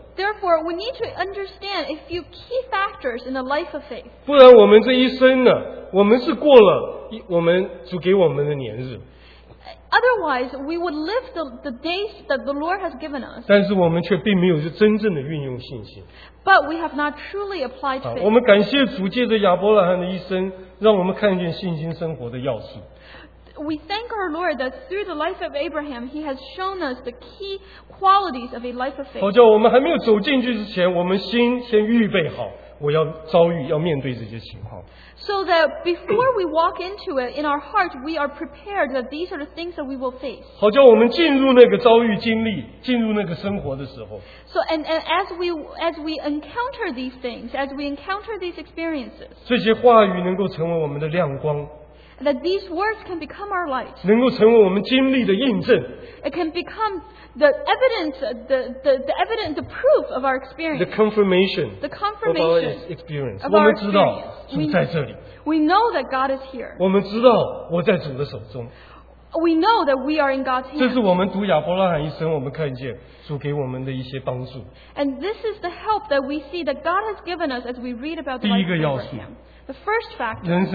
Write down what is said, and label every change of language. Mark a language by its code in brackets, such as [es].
[en] Therefore, we need to understand a few key factors in the life of faith. [zh] 不然我们这一生呢, 我们是过了我们主给我们的年日。 [en] Otherwise, we would live the days that the Lord has given us. [zh] 但是我们却并没有真正的运用信心。 [en] But we have not truly applied faith. [zh] 我们感谢主借着亚伯拉罕的一生, 让我们看见信心生活的要素。 [en] We thank our Lord that through the life of Abraham, He has shown us the key qualities of a life of faith. [zh] 好叫我们还没有走进去之前, 我们先预备好, 我要遭遇, 要面对这些情况。 [en] So that before we walk into it, in our heart, we are prepared that these are the things that we will face. [zh] 好叫我们进入那个遭遇经历, 进入那个生活的时候。 [en] So, and as we encounter these things, as we encounter these experiences, [zh] 这些话语能够成为我们的亮光。 [en] That these words can become our light. [zh] 能够成为我们经历的印证。 [en] It can become the evidence, the evidence, the proof of our experience. The confirmation. The confirmation of our experience. [zh] 我们知道主在这里。 [en] We know that God is here. [zh] 我们知道我在主的手中。 [en] We know that we are in God's hands. [zh] 这是我们读亚伯拉罕一生，我们看见主给我们的一些帮助。 [en] And this is the help that we see that God has given us as we read about the life of Abraham. The first factor.